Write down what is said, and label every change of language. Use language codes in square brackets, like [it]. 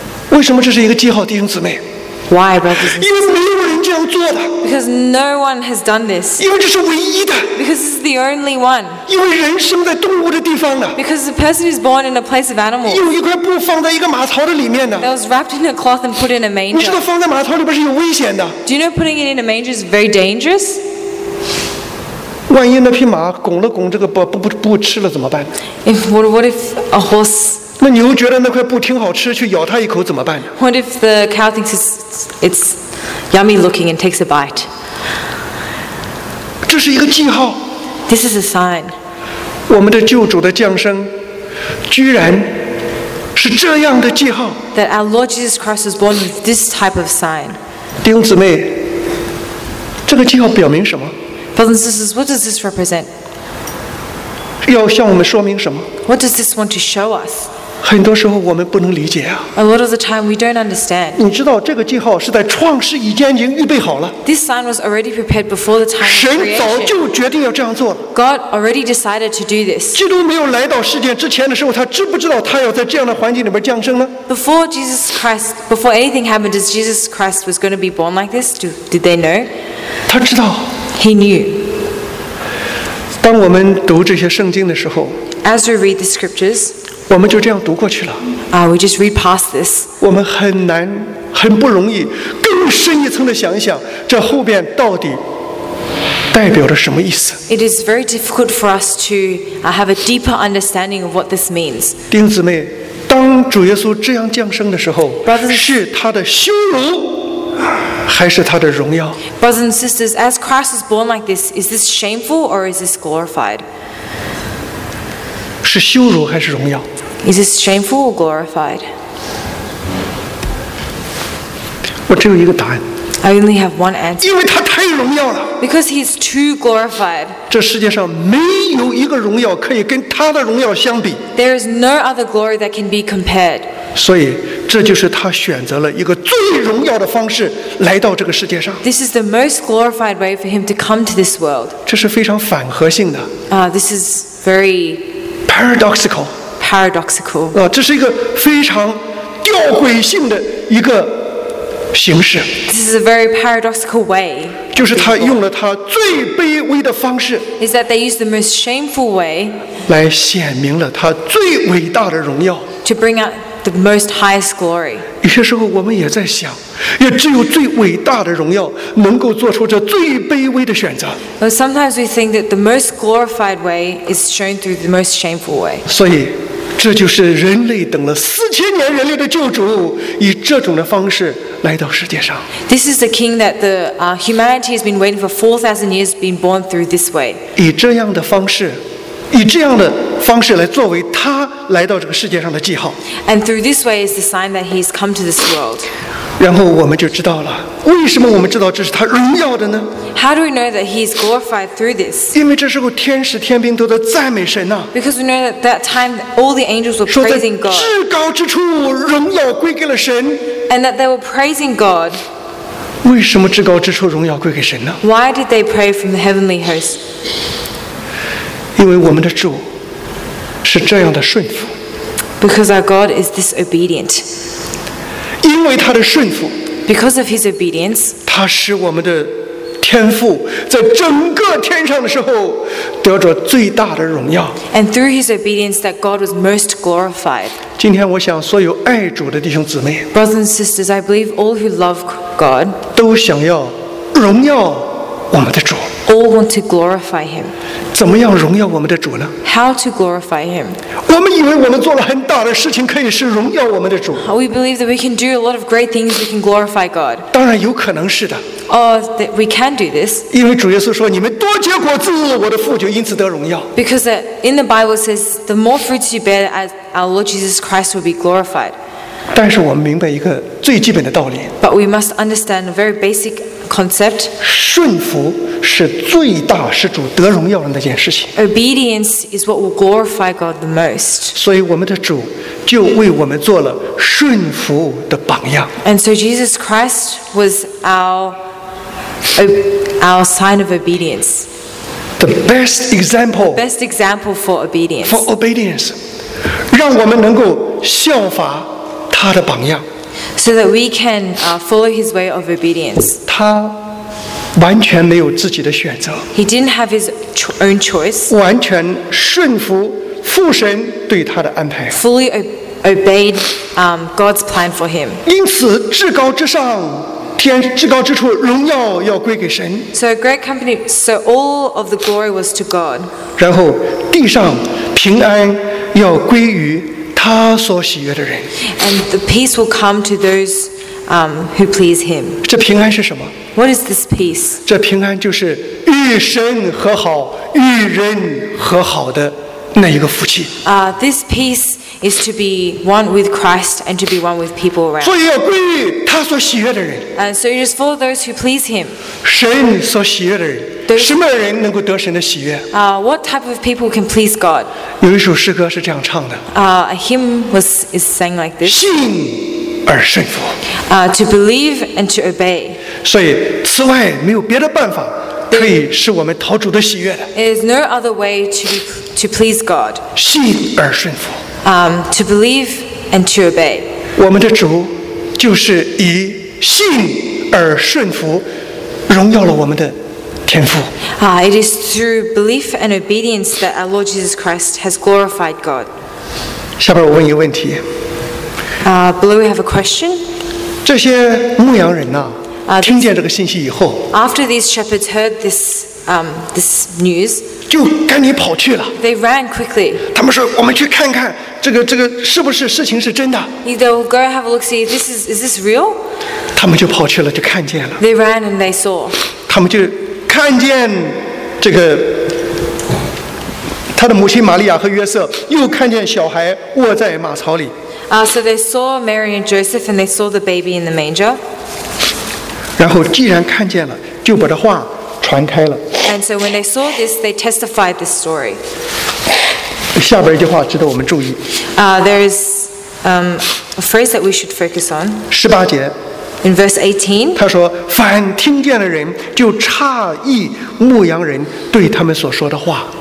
[zh] 为什么这是一个记号，弟兄姊妹 [en] ？Why, brothers and sisters? [zh] 因为没有人这样做的。 [en] Because no one has done this. [zh] 因为这是唯一的。 [en] Because this is the only one. [zh] 因为人生在动物的地方呢。 [en] Because the person is born in a place of animals. [zh] 用一块布放在一个马槽的里面呢。 [en] That was wrapped in a cloth and put in a manger. [zh] 你知道放在马槽里边是有危险的。 [en] Do you know putting it in a manger is very dangerous? [zh] 万一那匹马拱了拱这个布吃了怎么办 [en] ？What if a horse? [zh] 那牛觉得那块布挺好吃，去咬它一口怎么办 [en] ？What if the cow thinks it's yummy looking and takes a bite? [zh] 这是一个记号。 [en] This is a sign. [zh] 我们的救主的降生，居然是这样的记号。 [en] That our Lord Jesus Christ was born with this type of sign. [zh] 弟兄姊妹，这个记号表明什么 [en] ？Brothers and sisters, what does this represent? [zh] 要向我们说明什么 [en] ？What does this want to show us? [zh] 很多时候我们不能理解啊。 [en] A lot of the time we don't understand. [zh] 你知道这个记号是在创世以前已经预备好了。 [en] This sign was already prepared before the time of creation. [zh] 神早就决定要这样做。 [en] God already decided to do this. [zh] 基督没有来到世界之前的时候，他知不知道他要在这样的环境里面降生呢 [en] ？Before anything happened, as Jesus Christ was going to be born like this, did they know? [zh] 他知道。 [en] He knew. [zh] 当我们读这些圣经的时候 [en] ，As we read the scriptures. [zh] 我们就这样读过去了。 [en] We just read past this. [zh] 我们很难，很不容易，更深一层的想一想，这后边到底代表着什么意思 [en] ？It is very difficult for us to have a deeper understanding of what this means. [zh] 弟兄姊妹，当主耶稣这样降生的时候， [en] Brothers, [zh] 是他的羞辱，还是他的荣耀 [en] ？Brothers and sisters, as Christ was born like this, is this shameful or is this glorified? [zh] 是羞辱还是荣耀 [en] ？Is this shameful or glorified? [zh] 我只有一个答案。 [en] I only have one answer. [zh] 因为他太荣耀了。 [en] Because he is too glorified. [zh] 这世界上没有一个荣耀可以跟他的荣耀相比。 [en] There is no other glory that can be compared. [zh] 所以这就是他选择了一个最荣耀的方式来到这个世界上。 [en] This is the most glorified way for him to come to this world. [zh] 这是非常反合性的。 [en] This is very Paradoxical. Paradoxical. [zh] 这是一个非常吊诡性的一个形式。 [en] This is a very paradoxical way. [zh] 就是他用了他最卑微的方式。 [en] Is that they use the most shameful way? [zh] 来显明了他最伟大的荣耀。 [en] To bring out the most highest glory. [zh] 有些时候我们也在想。也只有最伟大的荣耀能够做出这最卑微的选择。 [en] But sometimes we think that the most glorified way is shown through the most shameful way. [zh] 所以，这就是人类等了四千年人类的救主以这种的方式来到世界上。 [en] This is the king that the humanity has been waiting for 4,000 years, being born through this way. [zh] 以这样的方式。以这样的方式来作为他来到这个世界上的记号。 [en] And through this way is the sign that he's come to this world. [zh] 然后我们就知道了，为什么我们知道这是他荣耀的呢 [en] ？How do we know that he's glorified through this? [zh] 因为这时候天使天兵都在赞美神呐。 [en] Because we know that that time all the angels were praising God. [zh] 至高之处荣耀归给了神。 [en] And that they were praising God. [zh] 为什么至高之处荣耀归给神呢 [en] ？Why did they pray from the heavenly host? [zh] 因为我们的主是这样的顺服 [en] ，Because our God is this obedient. [zh] 因为他的顺服 [en] ，Because of his obedience. [zh] 他使我们的天父在整个天上的时候得着最大的荣耀。 [en] And through his obedience that God was most glorified. [zh] 今天我想所有爱主的弟兄姊妹 [en] Brothers and sisters, I believe all who love God [zh] 都想要荣耀我们的主 [en] All want to glorify him. [zh] 怎么样荣耀我们的主呢 [en] How to glorify him. [zh] 我们以为我们做了很大的事情可以是荣耀我们的主 [en] We believe that we can do a lot of great things, we can glorify God. [zh] 当然有可能是的 [en] That we can do this. [zh] 因为主耶稣说，你们多结果子，我的父就因此得荣耀。 [en] Because in the Bible it says, the more fruits you bear, as our Lord Jesus Christ will be glorified. [zh] 但是我们明白一个最基本的道理。 [en] But we must understand a very basic concept. [zh] 顺服是最大使主得荣耀的那件事情。 [en] Obedience is what will glorify God the most. [zh] 所以我们的主就为我们做了顺服的榜样。 [en] And so Jesus Christ was our sign of obedience. The best example. The best example for obedience. For obedience. [zh] 让我们能够效法他的榜样。 [en] So that we can follow his way of obedience. [zh] 他完全没有自己的选择。 [en] He didn't have his own choice. [zh] 完全顺服父神对他的安排。 [en] Fully obeyed God's plan for him. [zh] 因此至高之上天至高之处，荣耀要归给神。 [en] So great company. So all of the glory was to God. [zh] 然后地上平安要归于他所喜悦的人。 [en] And the peace will come to those who please Him. [zh] 这平安是什么 [en] ？What is this peace? [zh] 这平安就是与神和好、与人和好的那一个福气。 [en] This peace. Is to be one with Christ and to be one with people around. [zh] 所以要归于他所喜悦的人。 [en] And so it is for those who please Him. [zh] 神所喜悦的人，什么人能够得神的喜悦？ [en] What type of people can please God? [zh] 有一首诗歌是这样唱的。 [en] A hymn is sang like this. [zh] 信而顺服。 [en] To believe and to obey. [zh] 所以此外没有别的办法可以使我们讨主的喜悦的。 [en] There is no other way to please God. [zh] 信而顺服。 [en] To believe and to obey. [zh] 我们的主就是以信而顺服，荣耀了我们的天父。 [en] It is through belief and obedience that our Lord Jesus Christ has glorified God. [zh] 下边我问一个问题。 [en] Below we have a question. [zh] 这些牧羊人呐、啊，听见这个信息以后 [en] ，After these shepherds heard this. This news. [zh] 就赶紧跑去了。 [en] They ran quickly. [zh] 他们说：“我们去看看这个是不是事情是真的。” [en] They will go and have a look. See, is this real? [zh] 他们就跑去了，就看见了。 [en] They ran and they saw. [zh] 他们就看见这个他的母亲玛利亚和约瑟，又看见小孩卧在马槽里。 [en] So they saw Mary and Joseph, and they saw the baby in the manger. [zh] 然后既然看见了，就把这话。传开了。 [en] And so when they saw this, they testified this story. [zh] 下边一句话值得我们注意。 [en] There is a phrase that we should focus on. [zh] 十八节。 [en] In verse 18. [zh] 他说：“凡听见的人就诧异牧羊人对他们所说的话。”